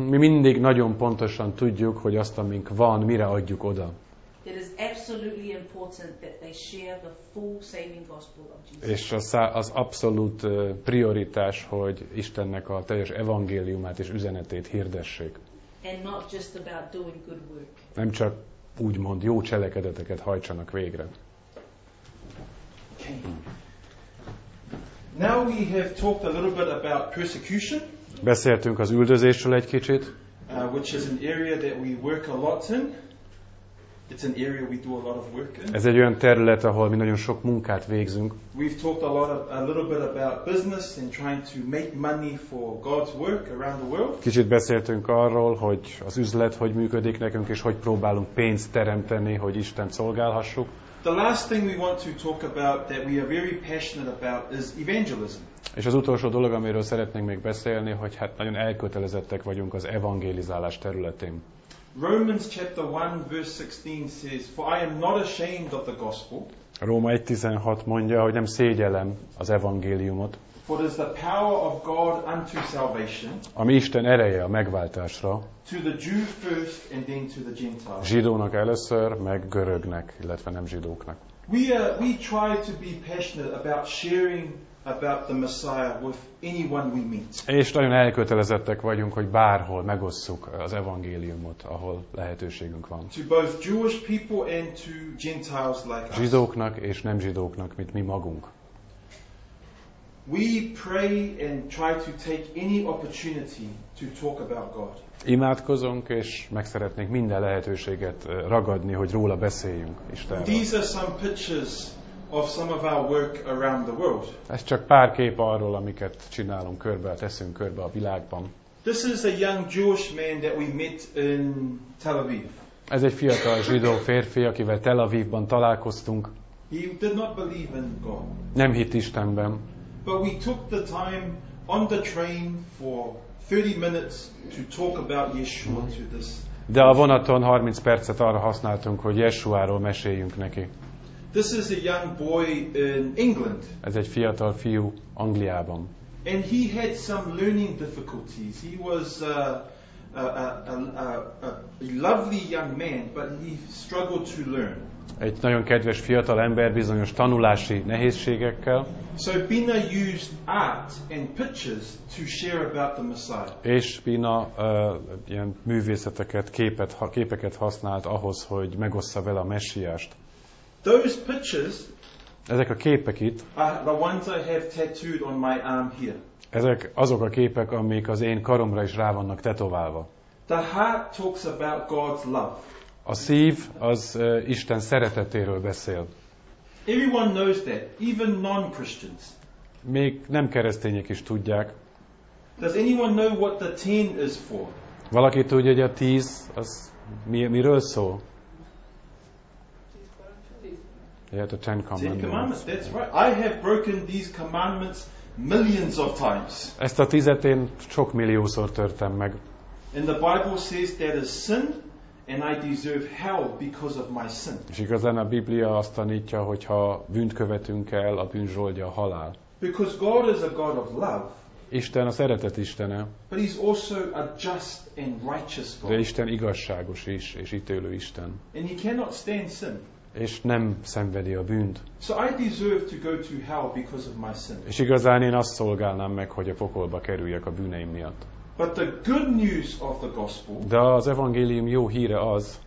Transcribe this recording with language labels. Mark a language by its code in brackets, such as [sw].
[hu] Mi mindig nagyon pontosan tudjuk, hogy azt, amink van, mire adjuk oda. [en] It is absolutely important that they share the full saving gospel of Jesus. [hu] És az abszolút prioritás, hogy Istennek a teljes evangéliumát és üzenetét hirdessék. [en] And not just about doing good work. [hu] Nem csak úgymond jó cselekedeteket hajtsanak végre. [en] Now we have talked a little bit about persecution. [hu] Beszéltünk az üldözésről egy kicsit. [en] Which is an area that we work a lot in. It's an area we do a lot of work in. [hu] Ez egy olyan terület, ahol mi nagyon sok munkát végzünk. [en] We've talked a little bit about business and trying to make money for God's work around the world. [hu] Kicsit beszéltünk arról, hogy az üzlet hogy működik nekünk és hogy próbálunk pénzt teremteni, hogy Istent szolgálhassuk. [en] The last thing we want to talk about that we are very passionate about is evangelism. [hu] És az utolsó dolog, amiről szeretnénk még beszélni, hogy hát nagyon elkötelezettek vagyunk az evangelizálás területén. [en] Romans chapter 1 verse 16 says, "For I am not ashamed of the gospel." [hu] Róma 1:16 mondja, hogy nem szégyellem az evangéliumot. [en] "For it is the power of God unto salvation." [hu] Ami Isten ereje a megváltásra. [en] "To the Jew first and then to the Gentile." [hu] Zsidónak először, meg görögnek, illetve nem zsidóknak. [en] We try to be passionate about sharing about the Messiah with anyone we meet. [hu] És nagyon elkötelezettek vagyunk, hogy bárhol megosszuk az evangéliumot, ahol lehetőségünk van. [en] To both Jewish people and to Gentiles like us. [hu] Zsidóknak és nem zsidóknak, mint mi magunk. [en] We pray and try to take any opportunity to talk about God. [hu] Imádkozunk és meg szeretnénk minden lehetőséget ragadni, hogy róla beszéljünk Istenről. [en] These are some pictures of some of our work around the world. [hu] Ez csak pár kép arról, amiket csinálunk körbe, teszünk körbe a világban. [en] This is a young Jewish man that we met in Tel Aviv. [hu] Ez egy fiatal zsidó férfi, akivel Tel Avivban találkoztunk. [en] He did not believe in God. [hu] Nem hitt Istenben. [en] But we took the time on the train for 30 minutes to talk about Yeshua to this. [hu] De a vonaton 30 percet arra használtunk, hogy Yeshuáról meséljünk neki. [en] This is a young boy in England. [hu] Ez egy fiatal fiú Angliában. [en] And he had some learning difficulties. He was a lovely young man, but he struggled to learn. [hu] Egy nagyon kedves fiatal ember bizonyos tanulási nehézségekkel. [en] So Bina used art and pictures to share about the Messiah. [hu] És Bina ilyen művészeteket, képeket használt ahhoz, hogy megossza vele a Messiást. [en] Those pictures. [hu] Ezek a képek itt. [en] The ones I have tattooed on my arm here. [hu] Ezek azok a képek, amik az én karomra is rá vannak tetoválva. [en] The heart talks about God's love. [hu] A szív az Isten szeretetéről beszél. [en] Everyone knows that, even non-Christians. [hu] Még nem keresztények is tudják. [en] Does anyone know what the 10 is for? [hu] Valaki tudja, hogy a 10 az miről szól? [en] Yeah, the Ten Commandments. Ten Commandments, that's right. I have broken these commandments millions of times. [hu] Ezt a tízet én sok milliószor törtem meg. [en] And the Bible says that is sin, and I deserve hell because of my sin. [hu] És igazán a Biblia azt tanítja, hogy ha bűnt követünk el, a bűn zsoldja a halál. [en] Because God is a God of love. [hu] Isten a szeretet Istene. [en] But he's also a just and righteous God. [hu] De Isten igazságos is, és ítélő Isten. [en] And he cannot stand sin. [hu] És nem szenvedi a bűnt. [en] So I deserve to go to hell because of my sin. [hu] És igazán én azt szolgálnám meg, hogy a pokolba kerüljek a bűneim miatt. [en] But the good news of the gospel. [hu] De az evangélium jó híre az.